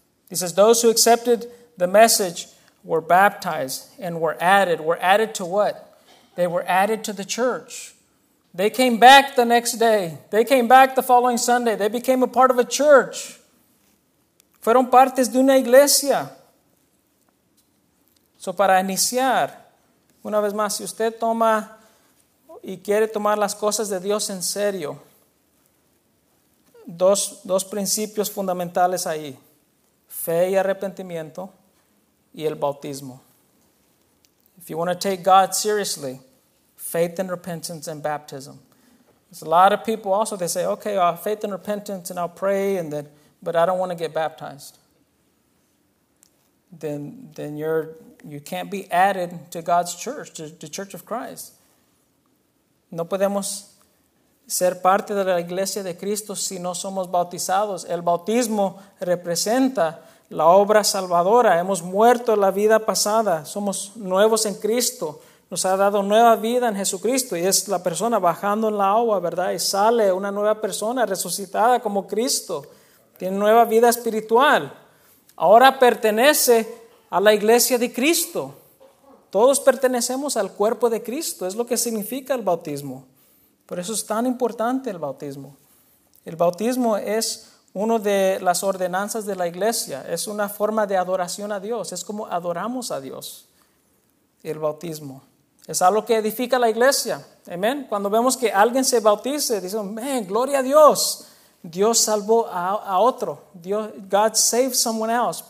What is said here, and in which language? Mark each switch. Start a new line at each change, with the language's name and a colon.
English: He says, those who accepted the message were baptized and were added. Were added to what? They were added to the church. They came back the next day. They came back the following Sunday. They became a part of a church.
Spanish: Fueron partes de una iglesia. So, para iniciar, una vez más, si usted toma y quiere tomar las cosas de Dios en serio, dos principios fundamentales ahí: fe y arrepentimiento y el bautismo.
English: If you want to take God seriously, faith and repentance and baptism. There's a lot of people also, they say, okay, I'll faith and repentance and I'll pray, and then, but I don't want to get baptized. Then you can't be added to God's church, to the church of Christ.
Spanish: No podemos ser parte de la iglesia de Cristo si no somos bautizados. El bautismo representa la obra salvadora. Hemos muerto la vida pasada. Somos nuevos en Cristo. Nos ha dado nueva vida en Jesucristo. Y es la persona bajando en la agua, ¿verdad? Y sale una nueva persona resucitada como Cristo. Tiene nueva vida espiritual. Ahora pertenece a la iglesia de Cristo. Todos pertenecemos al cuerpo de Cristo. Es lo que significa el bautismo. Por eso es tan importante el bautismo. El bautismo es una de las ordenanzas de la iglesia. Es una forma de adoración a Dios. Es como adoramos a Dios. El bautismo es algo que edifica la iglesia. Amén. Cuando vemos que alguien se bautice, dicen, man, gloria a Dios. Dios salvó a otro.
English: Dios, God saved someone else.